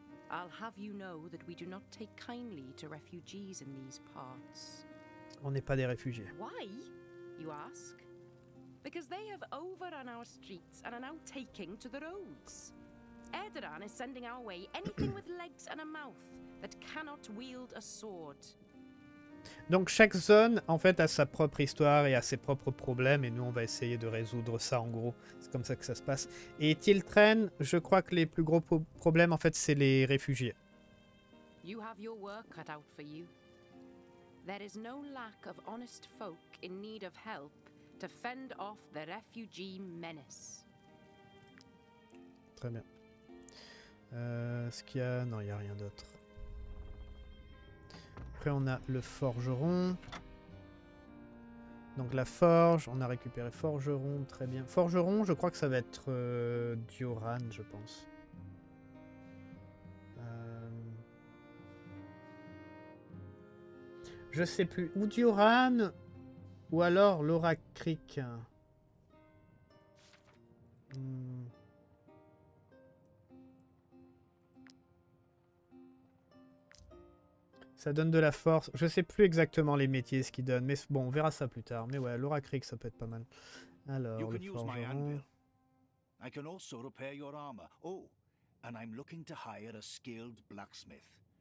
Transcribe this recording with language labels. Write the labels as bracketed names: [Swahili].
[English] I'll have you know that we do not take kindly to refugees in these parts. [French] On n'est pas des réfugiés. [English] Why, you ask? Because they have overrun our streets and are now taking to the roads. Edoran is sending our way anything with legs and a mouth that cannot wield a sword. [French] Donc chaque zone, en fait, a sa propre histoire et a ses propres problèmes, et nous, on va essayer de résoudre ça, en gros. C'est comme ça que ça se passe. Et Tiltren, je crois que les plus gros problèmes, en fait, c'est les réfugiés. [English] You have your work cut out for you. There is no lack of honest folk in need of help to fend off the refugee menace. [French] Très bien. Est-ce qu'il y a... Non, il n'y a rien d'autre. Après, on a le forgeron. Donc, la forge. On a récupéré forgeron. Très bien. Forgeron, je crois que ça va être Dioran, je pense. Je sais plus. Ou Dioran, ou alors Laura Creek. Ça donne de la force. Je sais plus exactement les métiers, ce qu'ils donnent. Mais bon, on verra ça plus tard. Mais ouais, Laura Creek, ça peut être pas mal. Alors, le forgeron. [English] I can also repair your armor. Oh, and I'm looking to hire a skilled blacksmith.